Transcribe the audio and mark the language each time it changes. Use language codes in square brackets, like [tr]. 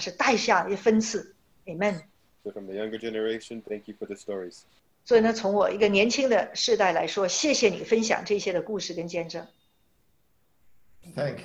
[zh] 就是呢，你经过火，而且呢能够活着出来，所以呢，我也是有这个信心的。所以呢，这些的一个一个周二的晚上，可以说是很有能力的这些的故事的分享，是带下一分次。Amen. [en] So from the younger generation, thank you for the stories. [zh] 所以呢，从我一个年轻的世代来说，谢谢你分享这些的故事跟见证。 [en] Thank